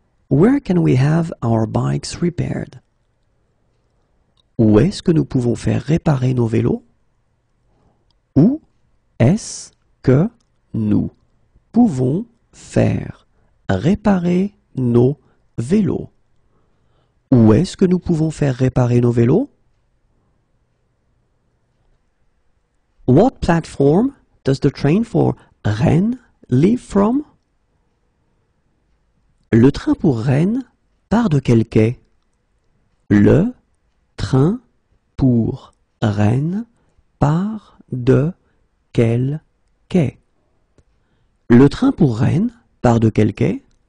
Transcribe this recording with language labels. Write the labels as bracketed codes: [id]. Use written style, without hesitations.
[en] Where can we have our bikes repaired? [fr] Où est-ce que nous pouvons faire réparer nos vélos? Où est-ce que nous pouvons faire réparer nos Vélo. Où est-ce que nous pouvons faire réparer nos vélos? [en] What platform does the train for Rennes leave from? [fr] Le train pour Rennes part de quel quai? Le train pour Rennes part de quel quai? Le train pour Rennes part de quel quai?